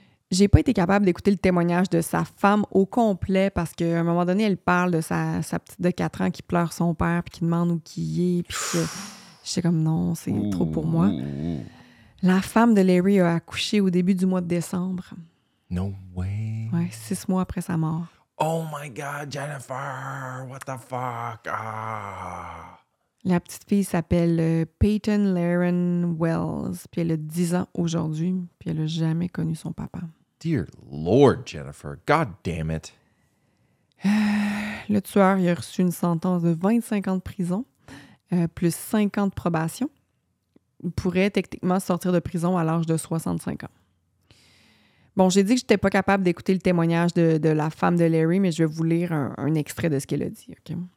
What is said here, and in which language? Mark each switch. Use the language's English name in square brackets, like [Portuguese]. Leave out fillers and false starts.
[French] J'ai pas été capable d'écouter le témoignage de sa femme au complet parce qu'à un moment donné, elle parle de sa petite de 4 ans qui pleure son père puis qui demande où qu'il est. Puis que, j'étais comme, non, c'est trop pour moi. La femme de Larry a accouché au début du mois de décembre. [English] No way. [French] Ouais, 6 mois après sa mort. [English] Oh my God, Jennifer, what the fuck? Ah. [French] La petite fille s'appelle Peyton Laren Wells, puis elle a 10 ans aujourd'hui, puis elle n'a jamais connu son papa. [English] Dear Lord, Jennifer, God damn it. [French] Le tueur, il a reçu une sentence de 25 ans de prison, plus 5 ans de probation. Il pourrait techniquement sortir de prison à l'âge de 65 ans. Bon, j'ai dit que j'étais pas capable d'écouter le témoignage de la femme de Larry, mais je vais vous lire un extrait de ce qu'elle a dit, OK?